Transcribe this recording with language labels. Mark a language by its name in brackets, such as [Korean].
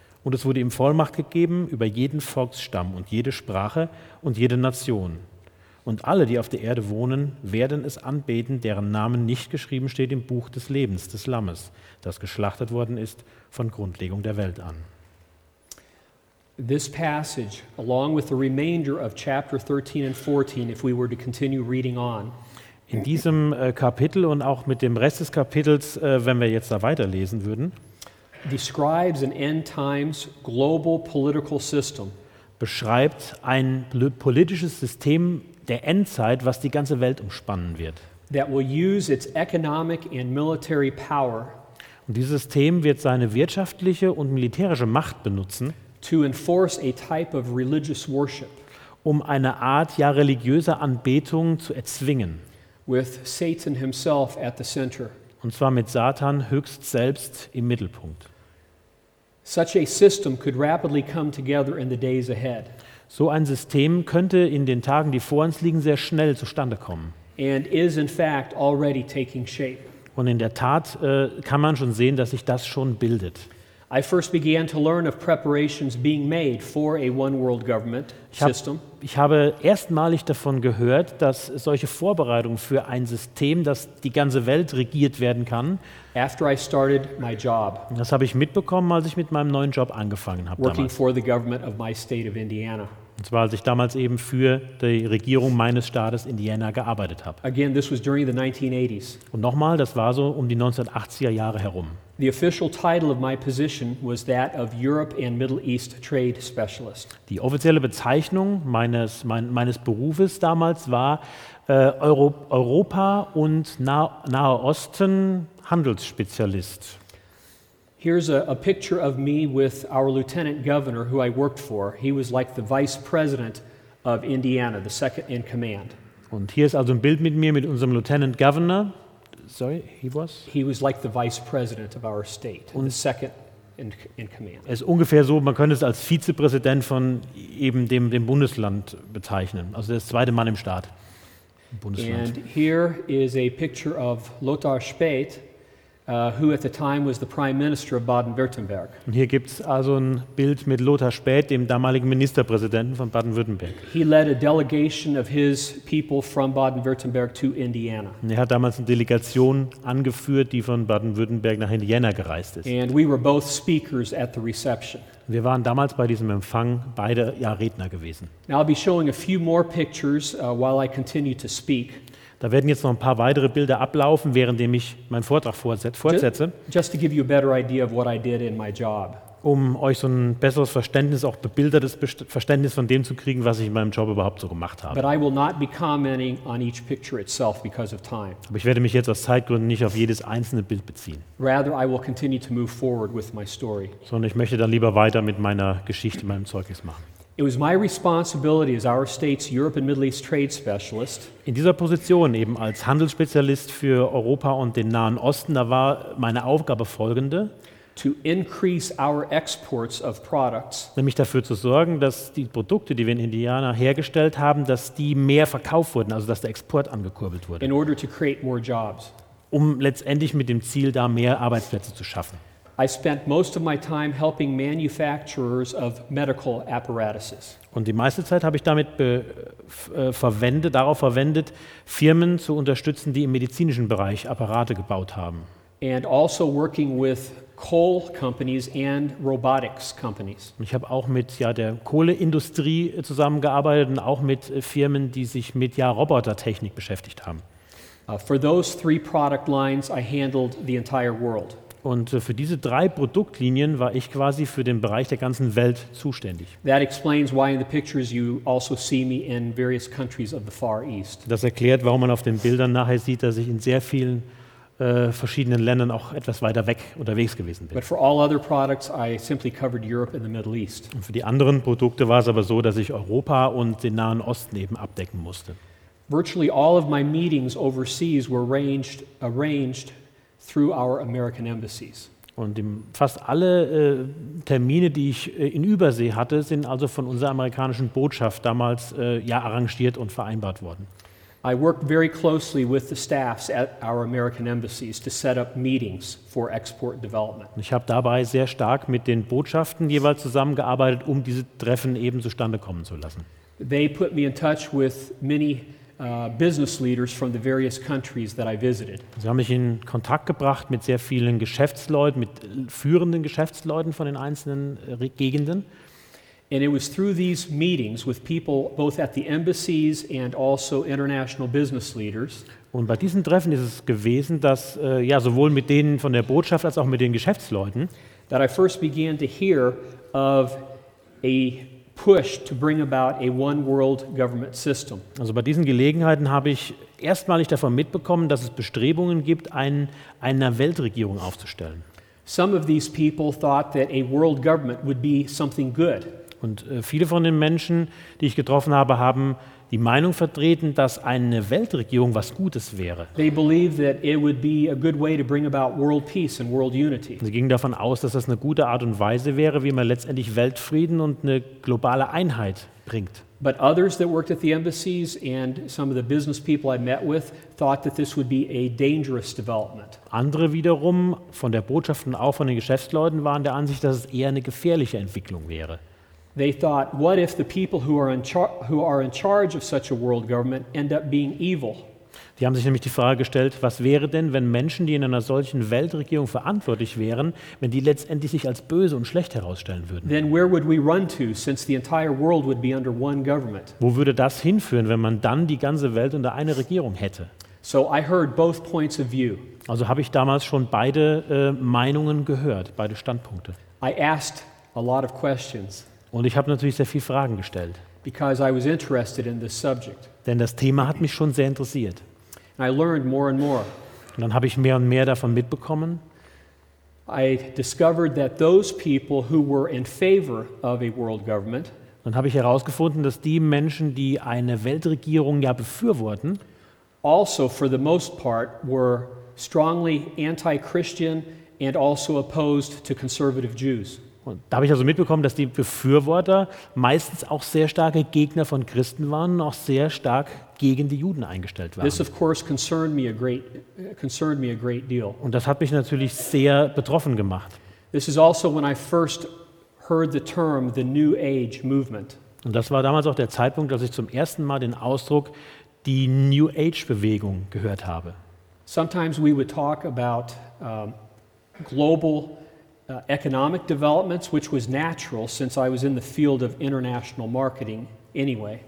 [German] Und es wurde ihm Vollmacht gegeben über jeden Volksstamm und jede Sprache und jede Nation. Und alle, die auf der Erde wohnen, werden es anbeten, deren Namen nicht geschrieben steht im Buch des Lebens des Lammes, das geschlachtet worden ist von Grundlegung der Welt an. [English] This passage, along with the remainder of chapter 13 and 14, if we were to continue reading on. [German] In diesem Kapitel und auch mit dem Rest des Kapitels, wenn wir jetzt da weiterlesen würden, [English] describes an end times global political system. [German] Beschreibt ein politisches System der Endzeit, was die ganze Welt umspannen wird. [English] That will use its economic and military power. [German] Und dieses System wird seine wirtschaftliche und militärische Macht benutzen, [English] to enforce a type of religious worship. [German] Um eine Art ja religiöser Anbetung zu erzwingen. [English] With Satan himself at the center. [German] Und zwar mit Satan höchst selbst im Mittelpunkt. [English] Such a system could rapidly come together in the days ahead. [German] So ein System könnte in den Tagen, die vor uns liegen, sehr schnell zustande kommen. [English] And is in fact already taking shape. [German] Und in der Tat kann man schon sehen, dass sich das schon bildet. [English] I first began to learn of preparations being made for a one-world government system. [German] Ich habe erstmalig davon gehört, dass solche Vorbereitungen für ein System, das die ganze Welt regiert werden kann. [English] After I started my job. [German] Das habe ich mitbekommen, als ich mit meinem neuen Job angefangen habe. [English] Working [German] damals [English] for the government of my state of Indiana. [German] Und zwar, als ich damals eben für die Regierung meines Staates Indiana gearbeitet habe. [English] Again, this was during the 1980s. [German] Und nochmal, das war so um die 1980er Jahre herum. [English] The official title of my position was that of Europe and Middle East Trade Specialist. [German] Die offizielle Bezeichnung meines Berufes damals war Europa und Nahe Osten Handelsspezialist. [English] Here's a picture of me with our lieutenant governor who I worked for. He was like the vice president of Indiana, the second in command. [German] Und hier ist also ein Bild mit mir mit unserem Lieutenant Governor. [English] Sorry, he was like the vice president of our state, [German] und [English] the second in command. [German] Es ist ungefähr so, man könnte es als Vizepräsident von eben dem Bundesland bezeichnen, also der zweite Mann im Staat. Bundesland. [English] And here is a picture of Lothar Späth, who at the time was the Prime Minister of Baden-Württemberg. [German] Und hier gibt's also ein Bild mit Lothar Späth, dem damaligen Ministerpräsidenten von Baden-Württemberg. [English] He led a delegation of his people from Baden-Württemberg to Indiana. [German] Und er hat damals eine Delegation angeführt, die von Baden-Württemberg nach Indiana gereist ist. [English] And we were both speakers at the reception. [German] Wir waren damals bei diesem Empfang beide ja Redner gewesen. [English] Now I'll be showing a few more pictures while I continue to speak. [German] Da werden jetzt noch ein paar weitere Bilder ablaufen, während ich meinen Vortrag fortsetze. [English] Just to give you a better idea of what I did in my job. [German] Um euch so ein besseres Verständnis, auch bebildertes Verständnis von dem zu kriegen, was ich in meinem Job überhaupt so gemacht habe. [English] But I will not be commenting on each picture itself because of time. [German] Aber ich werde mich jetzt aus Zeitgründen nicht auf jedes einzelne Bild beziehen. [English] Rather, I will continue to move forward with my story. [German] Sondern ich möchte dann lieber weiter mit meiner Geschichte, meinem Zeugnis machen. [English] It was my responsibility as our state's Europe and Middle East trade specialist. [German] In dieser Position eben als Handelsspezialist für Europa und den Nahen Osten, da war meine Aufgabe folgende: [English] to increase our exports of products. [German] Nämlich dafür zu sorgen, dass die Produkte, die wir in Indiana hergestellt haben, dass die mehr verkauft wurden, also dass der Export angekurbelt wurde. [English] In order to create more jobs. [German] Um letztendlich mit dem Ziel da mehr Arbeitsplätze zu schaffen. [English] I spent most of my time helping manufacturers of medical apparatuses. [German] Und die meiste Zeit habe ich damit darauf verwendet, Firmen zu unterstützen, die im medizinischen Bereich Apparate gebaut haben. [English] And also working with coal companies and robotics companies. [German] Und ich habe auch mit der Kohleindustrie zusammengearbeitet und auch mit Firmen, die sich mit Robotertechnik beschäftigt haben. [English] For those three product lines, I handled the entire world. [German] Und für diese drei Produktlinien war ich quasi für den Bereich der ganzen Welt zuständig. [English] That explains why in the pictures you also see me in various countries of the Far East. [German] Das erklärt, warum man auf den Bildern nachher sieht, dass ich in sehr vielen verschiedenen Ländern auch etwas weiter weg unterwegs gewesen bin. [English] But for all other products, I simply covered Europe and the Middle East. [German] Und für die anderen Produkte war es aber so, dass ich Europa und den Nahen Osten eben abdecken musste. [English] Virtually all of my meetings overseas were arranged through our American embassies. [German] Und fast alle Termine, die ich in Übersee hatte, sind also von unserer amerikanischen Botschaft damals arrangiert und vereinbart worden. [English] I worked very closely with the staffs at our American embassies to set up meetings for export development. [German] Ich habe dabei sehr stark mit den Botschaften jeweils zusammengearbeitet, um diese Treffen eben zustande kommen zu lassen. [English] They put me in touch with many business leaders from the various countries that I visited. [German] Sie haben mich in Kontakt gebracht mit sehr vielen Geschäftsleuten, mit führenden Geschäftsleuten von den einzelnen Gegenden. [English] And it was through these meetings with people both at the embassies and also international business leaders. [German] Und bei diesen Treffen ist es gewesen, dass sowohl mit denen von der Botschaft als auch mit den Geschäftsleuten, [English] that I first began to hear of a push to bring about a one world government system. [German] Also bei diesen Gelegenheiten habe ich erstmalig davon mitbekommen, dass es Bestrebungen gibt, eine Weltregierung aufzustellen. [English] Some of these people thought that a world government would be something good. [German] Und viele von den Menschen, die ich getroffen habe, haben die Meinung vertreten, dass eine Weltregierung was Gutes wäre. [English] They believed that it would be a good way to bring about world peace and world unity. [German] Sie gingen davon aus, dass das eine gute Art und Weise wäre, wie man letztendlich Weltfrieden und eine globale Einheit bringt. [English] But others that worked at the embassies and some of the business people I met with thought that this would be a dangerous development. [German] Andere wiederum von der Botschaft und auch von den Geschäftsleuten waren der Ansicht, dass es eher eine gefährliche Entwicklung wäre. [English] They thought, what if the people who are in charge of such a world government end up being evil? [German] Die haben sich nämlich die Frage gestellt, was wäre denn, wenn Menschen, die in einer solchen Weltregierung verantwortlich wären, wenn die letztendlich sich als böse und schlecht herausstellen würden? [English] Then where would we run to, since the entire world would be under one government? [German] Wo würde das hinführen, wenn man dann die ganze Welt unter einer Regierung hätte? [English] So I heard both points of view. [German] Also habe ich damals schon beide Meinungen gehört, beide Standpunkte. [English] I asked a lot of questions. [German] Und ich habe natürlich sehr viele Fragen gestellt. [English] Because I was interested in this subject. [German] Denn das Thema hat mich schon sehr interessiert. [English] And I learned more and more. [German] Und dann habe ich mehr und mehr davon mitbekommen. [English] I discovered that those people who were in favor of a world government, [German] dann habe ich herausgefunden, dass die Menschen, die eine Weltregierung befürworten, [English] also for the most part were strongly anti-Christian and also opposed to conservative Jews. [German] Und da habe ich also mitbekommen, dass die Befürworter meistens auch sehr starke Gegner von Christen waren und auch sehr stark gegen die Juden eingestellt waren. [English] This of course concerned me a great deal. [German] Und das hat mich natürlich sehr betroffen gemacht. [English] This is also when I first heard the term the New Age movement. [German] Und das war damals auch der Zeitpunkt, dass ich zum ersten Mal den Ausdruck die New Age Bewegung gehört habe. [English] Sometimes we would talk about global economic developments, which was natural since I was in the field of international marketing anyway.